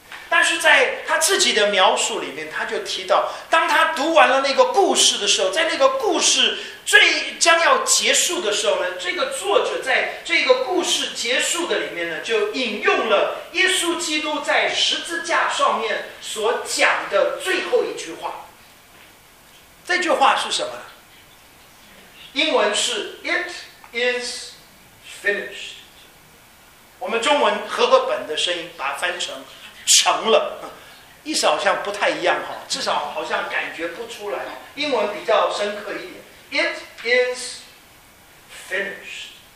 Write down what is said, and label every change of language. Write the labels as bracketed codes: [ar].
[zh] 但是在他自己的描述里面，他就提到，当他读完了那个故事的时候，在那个故事最将要结束的时候呢，这个作者在这个故事结束的里面呢，就引用了耶稣基督在十字架上面所讲的最后一句话。这句话是什么呢？英文是 [en] "It is finished"。 [zh] 我们中文和合本的声音把它翻成成了，意思好像不太一样哈，至少好像感觉不出来。英文比较深刻一点 ， [en] It is finished。